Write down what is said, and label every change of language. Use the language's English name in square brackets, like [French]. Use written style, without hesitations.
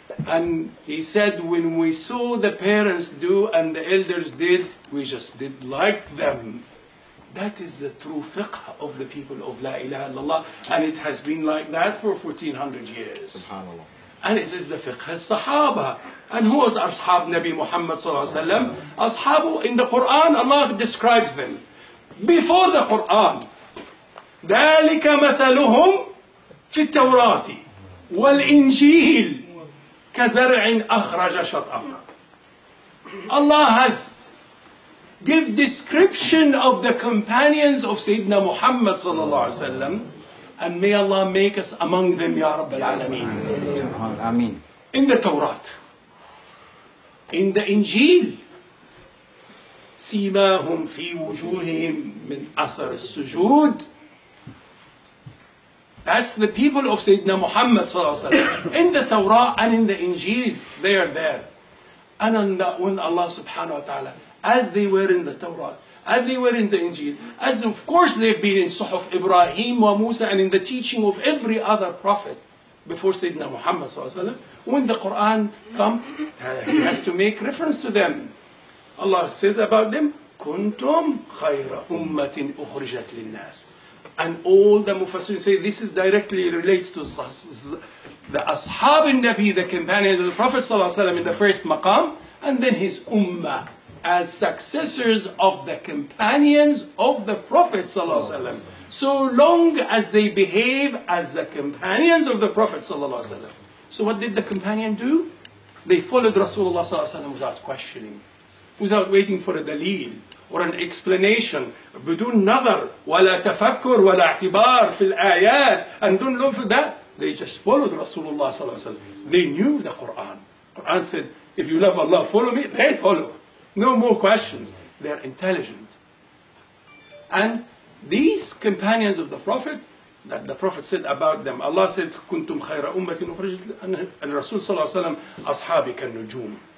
[English] And he said, when we saw the parents do and the elders did, we just did like them. That is the true fiqh of the people of La ilaha illallah. And it has been like that for 1400 years. Subhanallah. And it is the fiqh of Sahaba. And who was Ashab Nabi Muhammad sallallahu alayhi wa sallam? Ashabu in the Quran, Allah describes them. Before the Quran, [Arabic] ذلك مثلهم في التوراة والإنجيل كزرع أخرج شطأه. [English] Allah has give description of the companions of Sayyidina Muhammad sallallahu alaihi wasallam, and may Allah make us among them, ya Rabbi al-Alamin. Amen. In the Torah, in the Injil, [Arabic] سيماهم في وجوههم من أثر السجود. [English] That's the people of Sayyidina Muhammad sallallahu alayhi wa sallam. In the Torah and in the Injil, they are there. And when Allah subhanahu wa ta'ala, as they were in the Torah, everywhere in the Injil, as of course they've been in Suhuf Ibrahim wa Musa and in the teaching of every other prophet before Sayyidina Muhammad sallallahu alayhi wa sallam, when the Quran comes, he has to make reference to them. Allah says about them, [Arabic] كُنْتُمْ خَيْرَ أُمَّةٍ أُخْرِجَتْ لِلنَّاسِ. [English] And all the Mufassirin say this is directly relates to the Ashab al-Nabi, the companions of the Prophet ﷺ in the first maqam, and then his Ummah as successors of the companions of the Prophet ﷺ. So long as they behave as the companions of the Prophet ﷺ. So what did the companion do? They followed Rasulullah ﷺ without questioning, without waiting for a dalil or an explanation. [Arabic] بدون نظر ولا تفكر ولا اعتبار في الآيات. [English] And don't look for that. They just followed Rasulullah [Arabic] صلى الله عليه وسلم. [English] They knew the Quran. Quran said, if you love Allah, follow me. They follow. No more questions. They are intelligent. And these companions of the Prophet, that the Prophet said about them, Allah says, [Arabic] كنتم خير أمة أخرجت [English] and Rasul [Arabic] صلى الله عليه وسلم, أصحابك النجوم.